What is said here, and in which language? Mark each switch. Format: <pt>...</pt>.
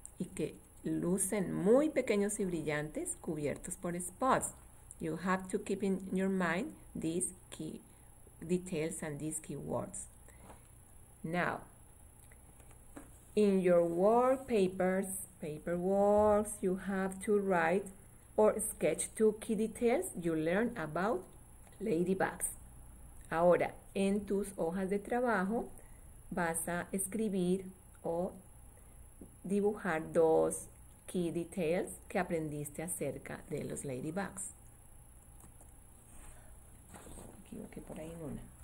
<es>Y que lucen muy pequeños y brillantes cubiertos por spots.</es> <en>You have to keep in your mind these key details and these keywords. Now, in your work papers, paperworks, you have to write or sketch two key details you learn about ladybugs.</en> <es>Ahora, en tus hojas de trabajo vas a escribir o dibujar dos</es> <en>key details</en> <es>que aprendiste acerca de los ladybugs. Aquí, por ahí en una.</es>